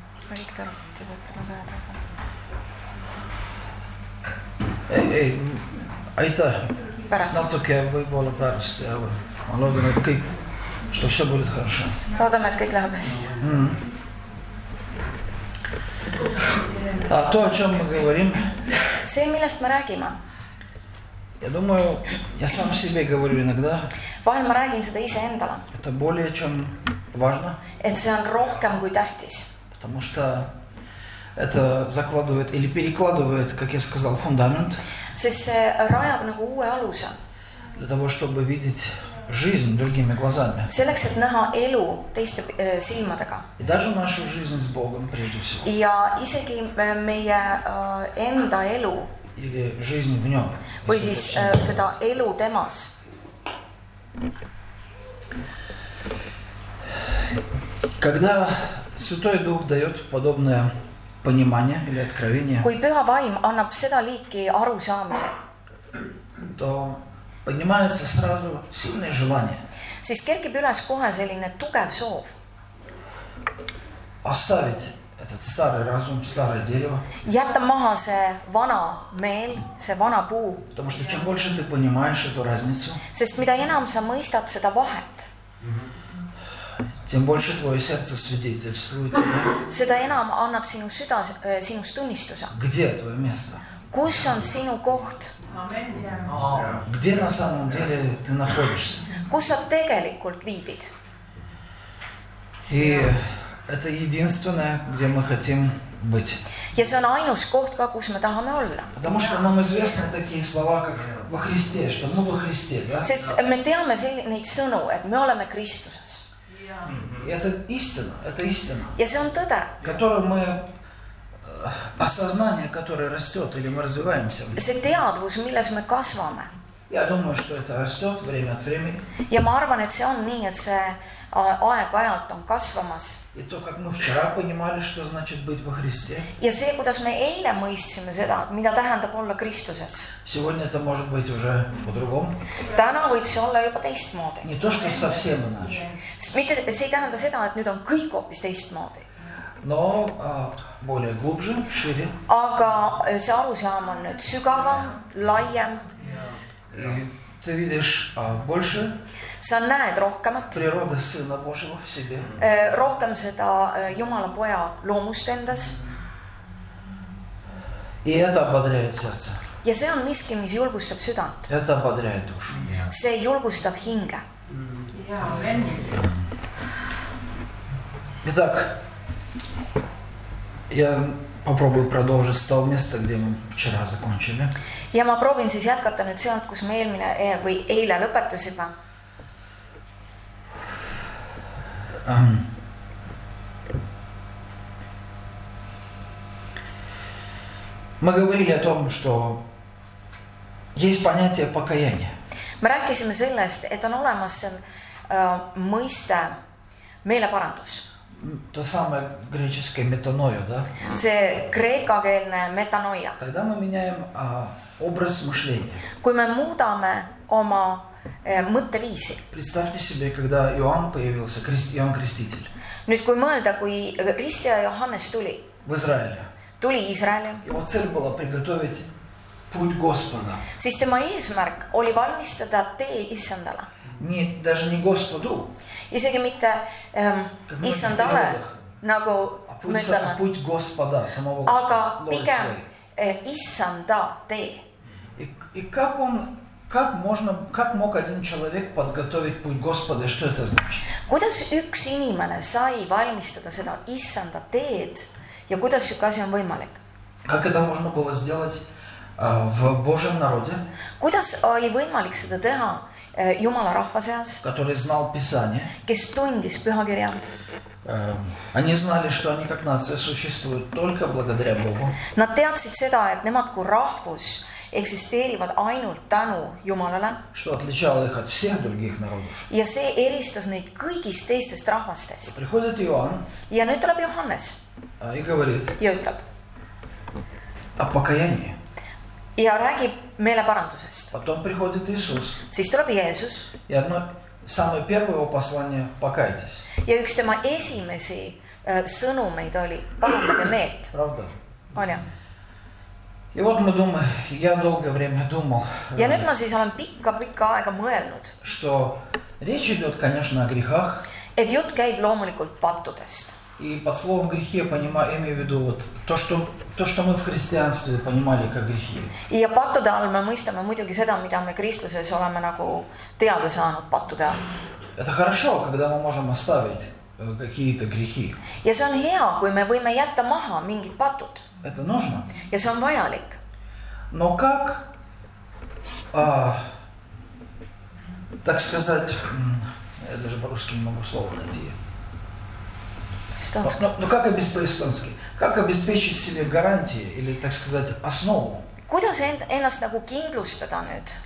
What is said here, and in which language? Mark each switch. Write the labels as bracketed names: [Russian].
[Russian] Виктор, тебе предлагает это. А это. [Estonian] Natuke võib-olla pärast ja ma loodan, et kõik, [Russian] что все будет хорошо. [Estonian] Loodame, et kõik läheb hästi. [Russian] А то, о чем мы говорим. [Estonian] See, millest me räägime. [Russian] Я думаю, я сам себе говорю иногда. [Estonian] Vahel ma räägin seda ise endale. [Russian] Это более, чем важно. [Estonian] Et see on rohkem kui tähtis. [Russian] Потому что это закладывает или перекладывает, как я сказал, фундамент. [Estonian] Sest see rajab nagu uue aluse. [Russian] Для того, чтобы видеть жизнь другими глазами. [Estonian] Selleks, et näha elu teiste silmadega. [Russian] И даже нашу жизнь с Богом прежде всего. [Estonian] Ja isegi meie enda elu. [Russian] Или жизнь в нем. [Estonian] Või siis seda elu temas. [Russian] Когда Святой Дух дает подобное понимание или откровение. [Estonian] Kui Püha Vaim annab seda liiki aru saamise. [Russian] То поднимается сразу сильное желание. [Estonian] Siis kerkib üles kohe selline tugev soov. [Russian] Оставить этот старый разум, старое дерево. [Estonian] Jätta maha see vana meel, see vana puu. [Russian] Потому что чем больше ты понимаешь эту разницу. [Estonian] Sest mida enam sa mõistad seda vahet. [Russian] Тем больше твое сердце свидетельствует. [Estonian] Seda enam annab sinu süda sinus tunnistuse. [Russian] Где твое место? [Estonian] Kus on sinu koht? [Russian] Где на самом деле ты находишься? [Estonian] Kus sa tegelikult viibid? [Russian] И это единственное, где мы хотим быть. [Estonian] Ja see on ainus koht ka, kus me tahame olla. [Russian] Потому что нам известны такие слова, как во Христе, что мы во Христе, да? [Estonian] Sest me teame neid sõnu, et me oleme Kristuses. [Russian] И это истина, [Estonian] ja see on tõde, [Russian] которую мы осознание, которое растет или мы развиваемся. [Estonian] See teadvus, milles me kasvame. [Russian] Я думаю, что это растет время от времени. [Estonian] Ja ma arvan, et see on nii, et see aeg-ajalt on kasvamas. [Russian] И то, как мы вчера понимали, что значит быть во Христе. [Estonian] Ja see, kuidas me eile mõistsime seda, mida tähendab olla Kristuses. [Russian] Сегодня это может быть уже по-другому. [Estonian] Täna võib see olla juba teistmoodi. [Russian] Не то, что совсем иначе. [Estonian] Mitte see ei tähenda seda, et nüüd on kõik hoopis teistmoodi. [Russian] Но более глубже, шире. [Estonian] Aga see arusaam on nüüd sügavam, laiem. [Russian] Ты видишь больше? [Estonian] Sa näed rohkemat. [Russian] Природа Сына Божьего в себе. [Estonian] Rohkem seda Jumala Poja loomust endas. [Russian] И это ободряет сердце. [Estonian] Ja see on miski, mis julgustab südant. [Russian] Это ободряет душу. [English] Yeah. [Estonian] See julgustab hinge. Yeah. [Russian] Итак, я попробую продолжить с того места, где мы вчера закончили. [Estonian] Ja ma proovin siis jätkata nüüd sealt, kus me eelmine või eile lõpetasime. [Russian] Мы говорили о том, что есть понятие покаяния. [Estonian] Me rääkisime sellest, et on olemas mõiste meeleparandus. [Russian] То самое греческое метаноя, да? [Estonian] See kreekakeelne metanoia. [Russian] Когда мы меняем образ мышления. [Estonian] Kui me muudame oma mõtteviisi. [Russian] Представьте себе, когда Иоанн появился, Иоанн Креститель. [Estonian] Nüüd kui mõelda, kui Ristija Johannes tuli. [Russian] В Израиле. [Estonian] Tuli [Russian] Израиле. Его цель была приготовить путь Господа. [Estonian] Siis tema eesmärk oli valmistada tee Issandale. [Russian] Не, даже не Господу. [Estonian] Isegi mitte Issandale, nagu mõtlema. [Russian] А путь Господа, самого Господа. [Estonian] Aga pigem Issanda tee. [Russian] И как он, как можно, как мог один человек подготовить путь Господа, что это значит? [Estonian] Kuidas üks inimene sai valmistada seda Issanda teed ja kuidas see asja on võimalik? [Russian] Как это можно было сделать в Божьем народе? [Estonian] Kuidas oli võimalik seda teha Jumala rahva seas? [Russian] Который знал Писание. [Estonian] Kes tundis pühakirja. [Russian] Они знали, что они как нация существуют только благодаря Богу. [Estonian] Nad teadsid seda, et nemad kui rahvus eksisteerivad ainult tänu Jumalale. [Russian] Что отличало их от всех других народов. [Estonian] Ja see eristas neid kõigist teistest rahvastest. [Russian] Приходит Иоанн. [Estonian] Ja nüüd tuleb Johannes. [Russian] И говорит. [Estonian] Ja ütleb. [Russian] О покаянии. [Estonian] Ja räägib meeleparandusest. [Russian] Потом приходит Иисус. [Estonian] Siis tuleb Jeesus. Ja no, [Russian] самое первое его послание – покайтесь. [Estonian] Ja üks tema esimesi sõnumeid oli kahtlade meelt. [Russian] Правда. [Estonian] On ja. Ja [Russian] вот мы думаем, я долгое время думал. [Estonian] Ja nüüd ma siis olen pikka aega mõelnud. [Russian] Что речь идет, конечно, о грехах. [Estonian] Et jut käib loomulikult pattudest. [Russian] И под словом грехи я понимаю, имею в виду вот то, что мы в христианстве понимали как грехи. [Estonian] Ja pattude all me mõistame muidugi seda, mida me Kristuses oleme nagu teada saanud pattude all. [Russian] Это хорошо, когда мы можем оставить какие-то грехи. [Estonian] Ja see on hea, kui me võime jätta maha mingid patud. [Russian] Это нужно. [Estonian] Ja see on vajalik. [Russian] Но как, так сказать, я даже по-русски не могу слово найти. Но как по-испански? Как обеспечить себе гарантии или, так сказать, основу? [Estonian] Kuidas ennast nagu kindlustada nüüd?